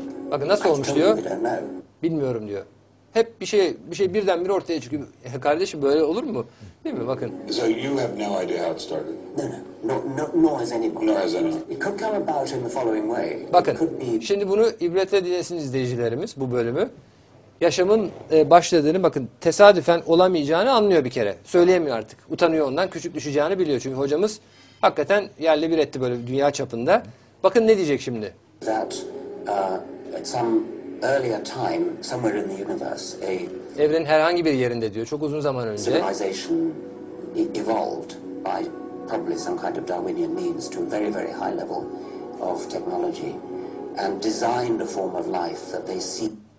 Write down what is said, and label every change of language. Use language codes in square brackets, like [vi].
[tr] Bakın nasıl olmuş diyor. Bilmiyorum diyor. Hep bir şey birdenbire ortaya çıkıyor. Kardeşim böyle olur mu? Değil mi? Bakın. [en] So you have no idea how it started. No, nor has anyone. It could come about in the following way. [tr] Bakın. Şimdi bunu ibretle dinlesin izleyicilerimiz bu bölümü. Yaşamın başladığını bakın tesadüfen olamayacağını anlıyor bir kere. Söyleyemiyor artık. Utanıyor ondan. Küçük düşeceğini biliyor. Çünkü hocamız hakikaten yerle bir etti böyle dünya çapında. Bakın ne diyecek şimdi? [en] That at some earlier time somewhere in the universe [tr] evrenin herhangi bir yerinde diyor çok uzun zaman önce [en] civilization evolved by probably some kind of Darwinian means to a very very high level of technology and designed a form of life that they see.